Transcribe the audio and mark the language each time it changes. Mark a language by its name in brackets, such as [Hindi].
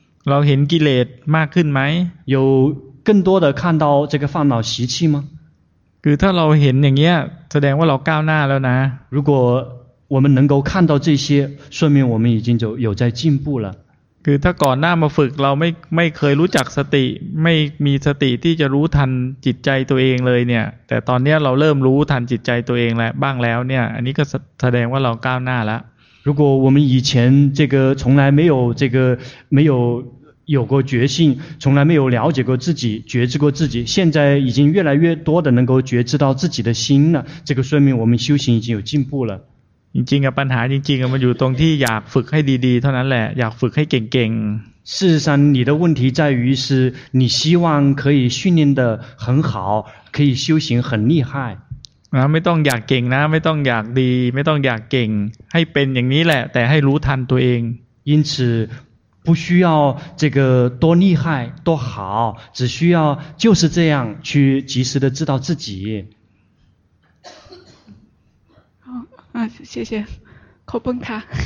[Thai] เราเห็นกิเลสมากขึ้นไหม [Chinese] 有更多的看到这个烦恼习气吗 [Thai] คือถ้าเราเห็นอย่างเงี้ยแสดงว่าเราก้าวหน้าแล้วนะ [Chinese] 如果我们能够看到这些说明我们已经有在进步了 [Thai] คือถ้าก่อนหน้ามาฝึกเราไม่เคยรู้จักสติไม่มีสติที่จะรู้ทันจิตใจตัวเองเลยเนี่ยแต่ตอนนี้เราเริ่มรู้ทันจิตใจตัวเองแล้วบ้างแล้วเนี่ยอันนี้ก็แสดงว่าเราก้าวหน้าแล้ว [Chinese] 如果我们以前这个从来没有这个没有有过觉性从来没有了解过自己觉知过自己现在已经越来越多的能够觉知到自己的心了这个说明我们修行已经有进步了 [Thai] จริงๆอ่ะปัญหาจริงๆมันอยู่ตรงที่อยากฝึกให้ดีๆเท่านั้นแหละอยากฝึกให้เก่ง [Chinese] ๆ事实上你的问题在于是你希望可以训练得很好可以修行很厉害 [Thai] นะไม่ต้องอยากเก่งนะไม่ต้องอยากดีไม่ต้องอยากเก่งให้เป็นอย่างนี้แหละแต่ให้รู้ทันตัวเอง [Chinese] 因此不需要这个多厉害多好只需要就是这样去及时的知道自己谢谢口崩卡